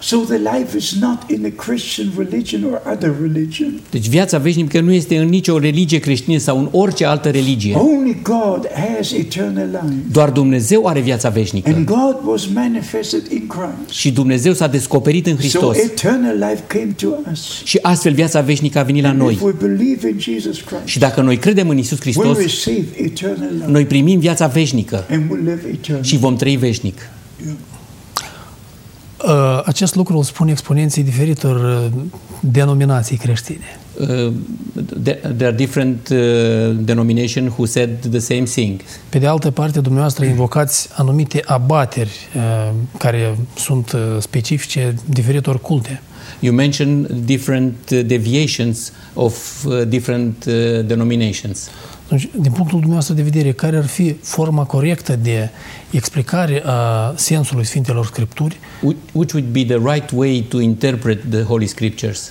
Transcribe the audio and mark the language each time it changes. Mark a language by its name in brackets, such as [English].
[English] So the life is not in a Christian religion or other religion. [Romanian] Deci viața veșnică nu este în nicio religie creștină sau în orice altă religie. [English] Only God has eternal life. [Romanian] Doar Dumnezeu are viața veșnică. [English] And God was manifested in Christ. [Romanian] Și Dumnezeu s-a descoperit în Hristos. [English] So eternal life came to us. [Romanian] Și astfel viața veșnică a venit la noi. [English] And if we believe in Jesus Christ, [Romanian] și dacă noi credem în Iisus Hristos, [English] we receive eternal life. [Romanian] Noi primim viața veșnică. [English] And we live eternally. [Romanian] Și vom trăi veșnic. Acest lucru îl spun exponenții diferitor denominații creștine. [English] There are different denominations who said the same thing. [Romanian] Pe de altă parte, dumneavoastră invocați anumite abateri care sunt specifice diferitor culte. [English] You mention different deviations of different denominations. [Romanian] Deci, din punctul dumneavoastră de vedere, care ar fi forma corectă de explicare a sensului Sfintelor Scripturi? [English] Which would be the right way to interpret the Holy Scriptures?